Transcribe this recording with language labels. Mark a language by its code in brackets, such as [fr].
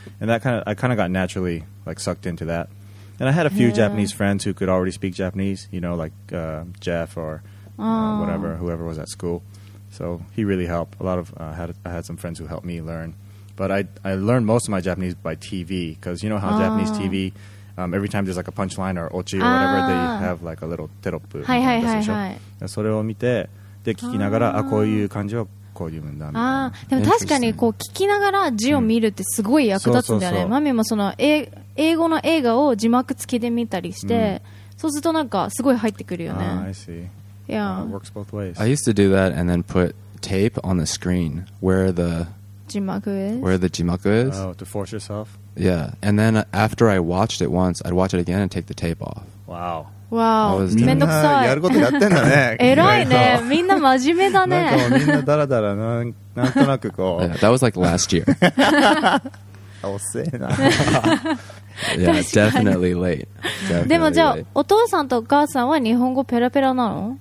[en] And that I kind of got naturally like sucked into that. And I had a few Japanese friends who could already speak Japanese, you know, like Jeff or whatever, whoever was at school. So he really helped. A lot of I had some friends who helped me learn, but I learned most of my Japanese by TV, because you know how Japanese TV, every time there's like a punchline or ochi or whatever, they have like a little teropu. [ja] はいはいはいはい。それを見て、で聞きながら、あ、こういう感じはこういうもんだみたいな。ああ、でも確かにこう聞きながら字を見るってすごい役立つんだよね。マミもその英語の映画を字幕付けで見たりして、そうするとなんかすごい入ってくるよね。 [en] ああ、I see。 Yeah. It works both ways. I used to do that and then put tape on the screen where the 字幕 is. Where the 字幕 is. Oh, to force yourself? Yeah. And then after I watched it once, I'd watch it again and take the tape off. Wow. Wow. [ja] みんなやることやってんだね。偉いね。みんな真面目だね。なんかみんなダラダラ、なんとなくこう。 [en] Yeah, that was like last year. [ja] おせえな。 [en] Yeah, definitely late. [ja] でもじゃあお父さんとお母さんは日本語ペラペラなの？